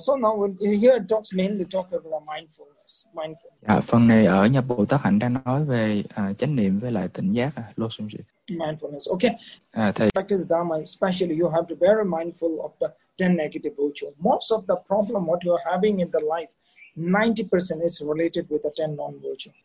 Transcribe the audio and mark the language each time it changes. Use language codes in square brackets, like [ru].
[en] So now here it talks mainly talk about mindfulness. [vi] À, phần này ở Nhập Bộ Tác Hạnh đang nói về chánh niệm với lại tỉnh giác. [en] Mindfulness, okay. [vi] Thầy. [en] Practice Dharma, especially you have to be very mindful of the 10 negative virtues. Most of the problem what you are having in the life, 90% is related with the 10 non-virtues.